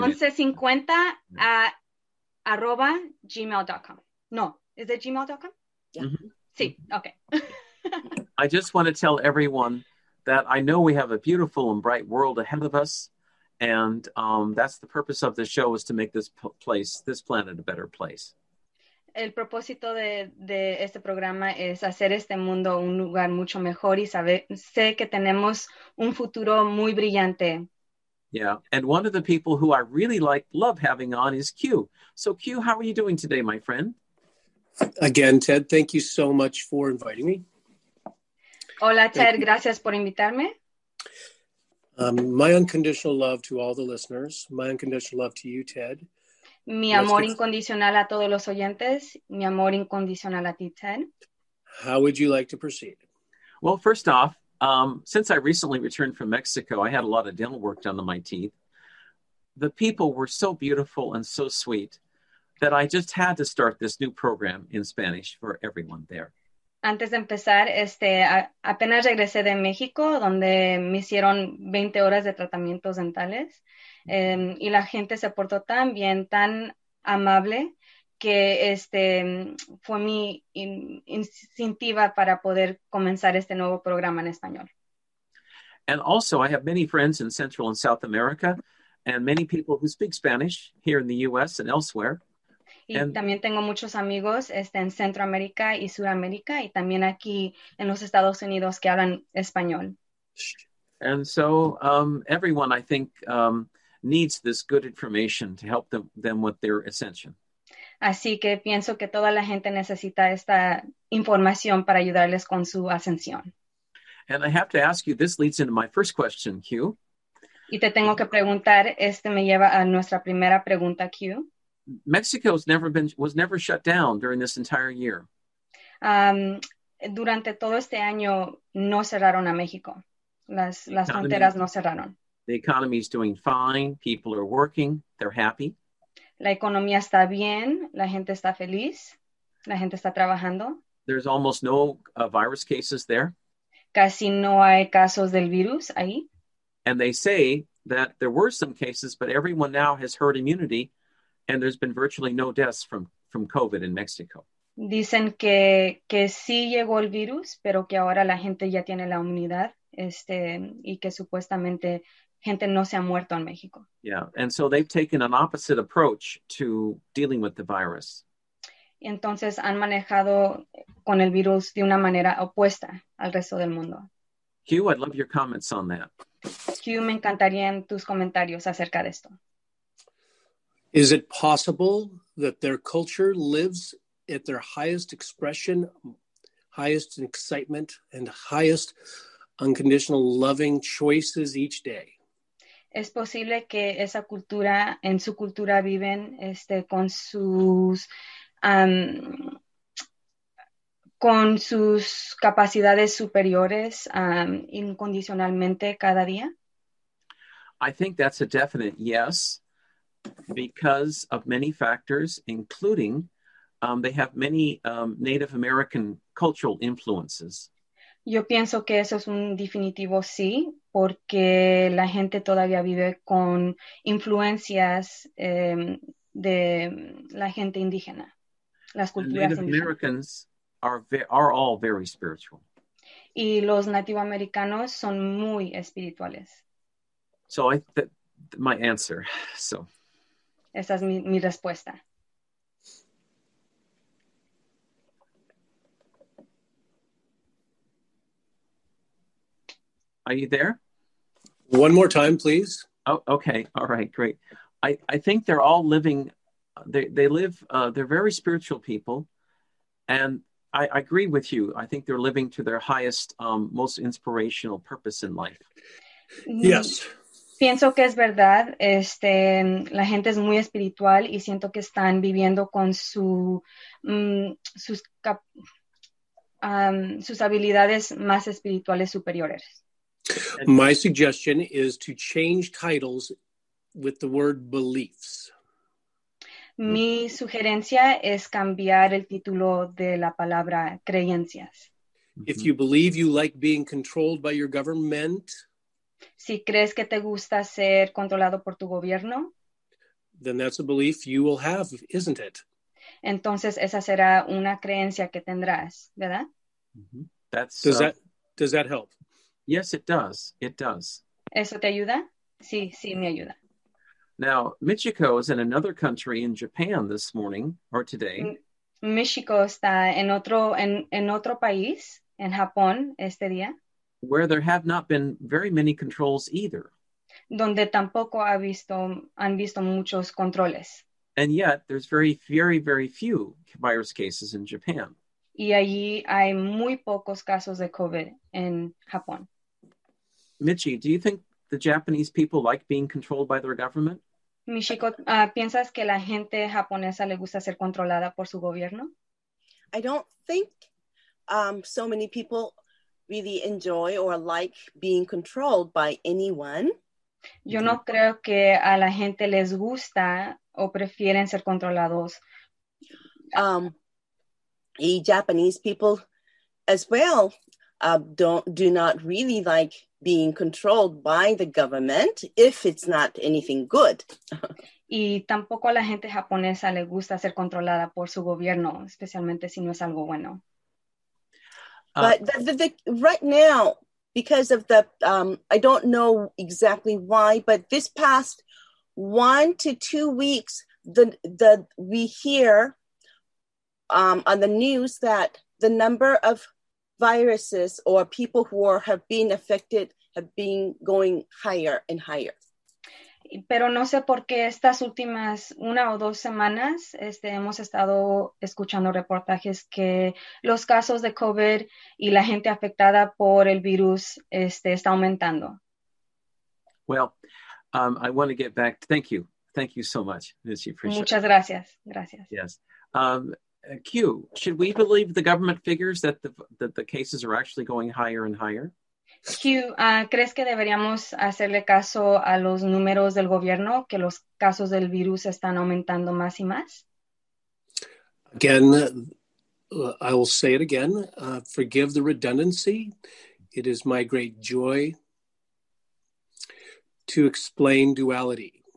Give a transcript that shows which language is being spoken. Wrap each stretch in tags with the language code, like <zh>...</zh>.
<en>1150 at @gmail.com. No. Is it gmail.com? Yeah.</en> <es>Sí. Okay.</es> <en>I just want to tell everyone that I know we have a beautiful and bright world ahead of us. And that's the purpose of the show, is to make this planet a better place.</en> <es>El propósito de este programa es hacer este mundo un lugar mucho mejor, y sé que tenemos un futuro muy brillante.</es> <en>Yeah. And one of the people who I really love having on is Q. So Q, how are you doing today, my friend? Again, Ted, thank you so much for inviting me.</en> <es>Hola, Ted. Gracias por invitarme.</es> <en>My unconditional love to all the listeners. My unconditional love to you, Ted.</en> <es>Mi amor incondicional a todos los oyentes. Mi amor incondicional a ti, Ted.</es> <en>How would you like to proceed? Well, first off, since I recently returned from Mexico, I had a lot of dental work done on my teeth. The people were so beautiful and so sweet that I just had to start this new program in Spanish for everyone there.</en> <es>Antes de empezar, apenas regresé de México, donde me hicieron 20 horas de tratamientos dentales, y la gente se portó tan bien, tan amable, que fue mi incentiva para poder comenzar este nuevo programa en español.</es> <en>And also, I have many friends in Central and South America, and many people who speak Spanish here in the US and elsewhere.</en> <es>Y también tengo muchos amigos en Centroamérica y Sudamérica y también aquí en los Estados Unidos que hablan español.</es> <en>And so, everyone, I think, needs this good information to help them with their ascension.</en> <es>Así que pienso que toda la gente necesita esta información para ayudarles con su ascensión.</es> <en>And I have to ask you, this leads into my first question, Q.</en> <es>Y te tengo que preguntar, me lleva a nuestra primera pregunta, Q.</es> <en>Mexico has never been was never shut down during this entire year.</en> <es>Durante todo este año no cerraron a México.</es> <en>The</en> <es>Las fronteras no cerraron.</es> <en>economy is doing fine. People are working. They're happy.</en> <es>La economía está bien, la gente está feliz, la gente está trabajando.</es> <en>There's almost no virus cases there.</en> <es>Casi no hay casos del virus ahí.</es> <en>And they say that there were some cases, but everyone now has herd immunity, and there's been virtually no deaths from COVID in Mexico.</en> <es>Dicen que sí llegó el virus, pero que ahora la gente ya tiene la inmunidad, y que supuestamente gente no se ha muerto en México.</es> <en>Yeah, and so they've taken an opposite approach to dealing with the virus.</en> <es>Entonces han manejado con el virus de una manera opuesta al resto del mundo.</es> <en>Q, I'd love your comments on that.</en> <es>Hugh, me encantarían tus comentarios acerca de esto.</es> <en>Is it possible that their culture lives at their highest expression, highest in excitement, and highest unconditional loving choices each day?</en> <es>¿Es posible que esa cultura, en su cultura viven con sus capacidades superiores incondicionalmente cada día?</es> <en>I think that's a definite yes, because of many factors, including they have many Native American cultural influences.</en> <es>Yo pienso que eso es un definitivo sí, porque la gente todavía vive con influencias de la gente indígena, las</es> <en>And</en> <es>culturas</es> <en>Native</en> <es>indígenas.</es> <en>Americans are all very spiritual.</en> <es>Y los nativo americanos son muy espirituales.</es> <en>So I th my answer. So</en> <es>Esa es mi respuesta.</es> <en>are you there? One more time, please. Oh, okay. All right, great. I think they're all living they live they're very spiritual people, and I agree with you. I think they're living to their highest most inspirational purpose in life. Yes.</en> <es>Pienso que es verdad, la gente es muy espiritual y siento que están viviendo con su sus habilidades más espirituales superiores.</es> <en>My suggestion is to change titles with the word beliefs.</en> <es>Mi sugerencia es cambiar el título de la palabra creencias.</es> <en>If you believe you like being controlled by your government,</en> <es>Si crees que te gusta ser controlado por tu gobierno,</es> <en>then that's a belief you will have, isn't it?</en> <es>entonces esa será una creencia que tendrás, ¿verdad?</es> <en>That's Does that help? Yes, it does. It does.</en> <es>¿Eso te ayuda? Sí, me ayuda.</es> <en>Now, Michiko is in another country in Japan this morning or today.</en> <es>México está en otro país, en Japón, este día,</es> <en>Where there have not been very many controls either.</en> <es>donde tampoco han visto muchos controles.</es> <en>And yet, there's very few virus cases in Japan.</en> <es>Y allí hay muy pocos casos de COVID en Japón.</es> <en>Michi, do you think the Japanese people like being controlled by their government?</en> <es>Michiko, ¿piensas que la gente japonesa le gusta ser controlada por su gobierno?</es> <en>I don't think so many people really enjoy or like being controlled by anyone.</en> <es>Yo no creo que a la gente les gusta o prefieren ser controlados.</es> <en>Japanese people as well do not really like being controlled by the government if it's not anything good.</en> <es>Y tampoco a la gente japonesa le gusta ser controlada por su gobierno, especialmente si no es algo bueno.</es> <en>But the right now, because of the, I don't know exactly why, but this past 1 to 2 weeks, the we hear on the news that the number of viruses or people who are, have been affected have been going higher and higher.</en> <es>Pero no sé por qué estas últimas 1 o 2 semanas hemos estado escuchando reportajes que los casos de COVID y la gente afectada por el virus está aumentando.</es> <en>Well, I want to get back. Thank you. Thank you so much. Yes, you appreciate</en> <es>Muchas</es> <en>it.</en> <es>Gracias. Gracias.</es> <en>Yes. Q, should we believe the government figures that the cases are actually going higher and higher?</en> <es>Q, ¿crees que deberíamos hacerle caso a los números del gobierno, que los casos del virus están aumentando más y más?</es> <en>Again, I will say it again. Forgive the redundancy. It is my great joy to explain duality.</en>